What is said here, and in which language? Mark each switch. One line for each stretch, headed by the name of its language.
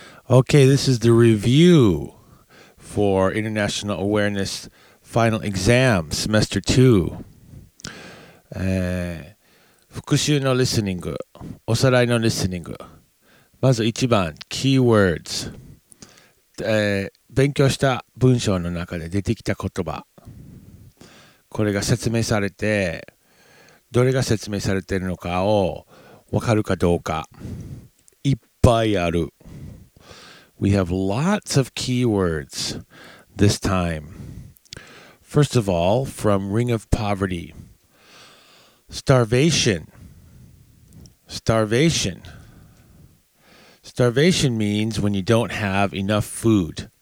English: Okay, this is the review for International Awareness Final Exam, Semester 2.
Japanese: 復習のリスニング、おさらいのリスニング。まず1番、Keywords。勉強した文章の中で出てきた言葉。これが説明されて、どれが説明されているのかを分かるかどうか。いっぱいある。
English: We have lots of keywords this time. First of all, from Ring of Poverty. Starvation. Starvation. Starvation means when you don't have enough food.